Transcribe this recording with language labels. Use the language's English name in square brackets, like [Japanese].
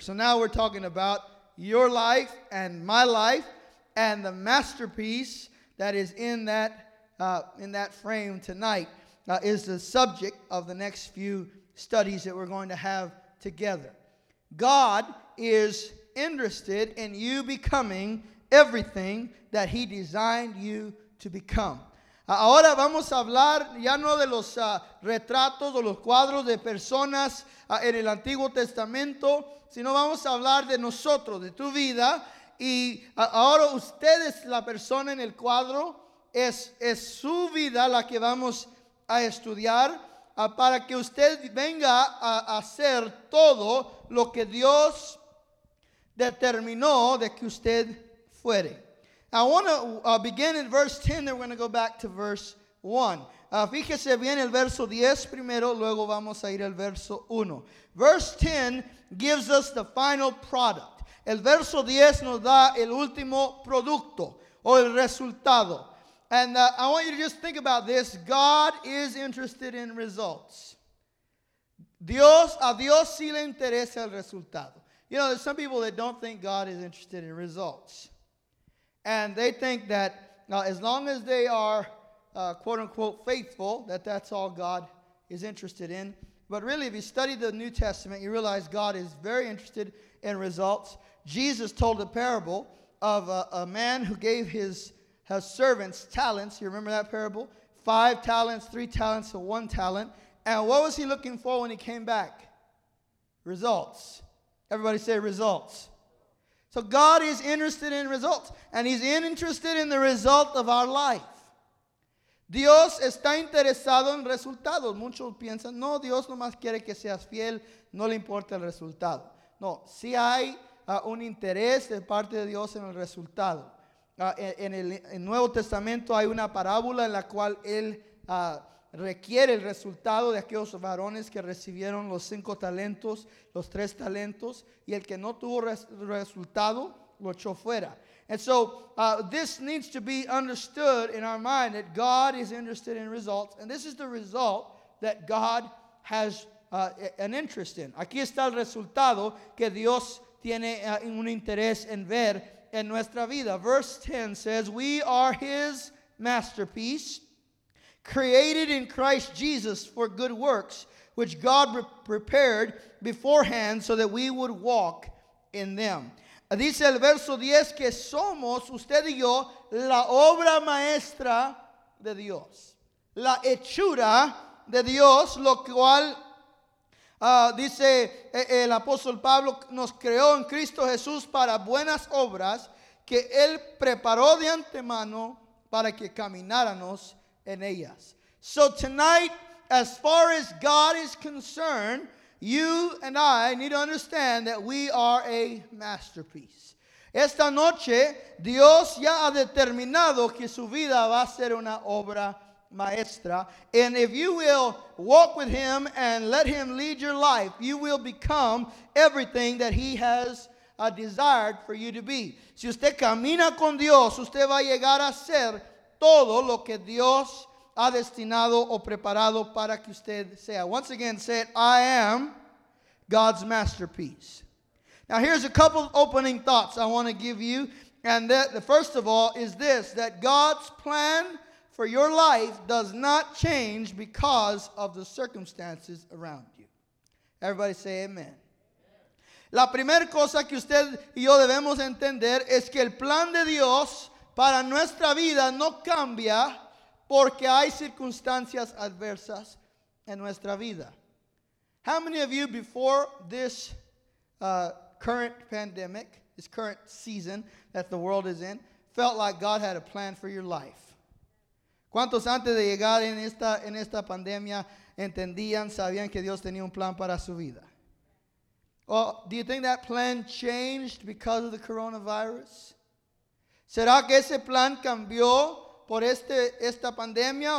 [English] So now we're talking about your life and my life and the masterpiece that is in that frame tonight is the subject of the next few studies that we're going to have together. God is interested in you becoming everything that he designed you to become. [Spanish] Ahora vamos a hablar ya no de los retratos o los cuadros de personas en el Antiguo Testamento, sino vamos a hablar de nosotros, de tu vida. Y ahora usted es la persona en el cuadro, es su vida la que vamos a estudiar para que usted venga a hacer todo lo que Dios determinó de que usted fuere. [English] I want to begin in verse 10, then we're going to go back to verse 1. [Spanish] Fíjese bien el verso 10 primero, luego vamos a ir al verso 1. [English] Verse 10 gives us the final product. [Spanish] El verso 10 nos da el último producto o el resultado. [English] And I want you to just think about this. God is interested in results. [Spanish] A Dios sí le interesa el resultado. [English] You know, there's some people that don't think God is interested in results. And they think that as long as they are, quote-unquote, faithful, that's all God is interested in. But really, if you study the New Testament, you realize God is very interested in results. Jesus told a parable of a man who gave his servants talents. You remember that parable? 5 talents, 3 talents, and 1 talent. And what was he looking for when he came back? Results. Everybody say results. So God is interested in results, and he's interested in the result of our life. [Spanish] Dios está interesado en resultados. Muchos piensan, no, Dios nomás quiere que seas fiel, no le importa el resultado. No, sí hay un interés de parte de Dios en el resultado. En el Nuevo Testamento hay una parábola en la cual él requiere el resultado de aquellos varones que recibieron los 5 talentos, los 3 talentos, y el que no tuvo resultado lo echó fuera. [English] And so this needs to be understood in our mind that God is interested in results, and this is the result that God has an interest in. [Spanish] Aquí está el resultado que Dios tiene un interés en ver en nuestra vida. [English] Verse 10 says, we are his masterpiece, created in Christ Jesus for good works, which God prepared beforehand so that we would walk in them. [Spanish] Dice el verso 10 que somos, usted y yo, la obra maestra de Dios. La hechura de Dios, lo cual dice el apóstol Pablo, nos creó en Cristo Jesús para buenas obras que él preparó de antemano para que camináramos en ellas. [English] So tonight, as far as God is concerned, you and I need to understand that we are a masterpiece. [Spanish] Esta noche, Dios ya ha determinado que su vida va a ser una obra maestra. [English] And if you will walk with him and let him lead your life, you will become everything that he has desired for you to be. [Spanish] Si usted camina con Dios, usted va a llegar a ser todo lo que Dios ha destinado o preparado para que usted sea. [English] Once again, say it, I am God's masterpiece. Now, here's a couple of opening thoughts I want to give you. And that the first of all is this, that God's plan for your life does not change because of the circumstances around you. Everybody say amen. [Spanish] La primera cosa que usted y yo debemos entender es que el plan de Dios para nuestra vida no cambia porque hay circunstancias adversas en nuestra vida. [English] How many of you before this current pandemic, this current season that the world is in, felt like God had a plan for your life? [Spanish] ¿Cuántos antes de llegar en esta pandemia entendían, sabían que Dios tenía un plan para su vida? [English] Well, do you think that plan changed because of the coronavirus? [Spanish] ¿Será que ese plan cambió por esta pandemia?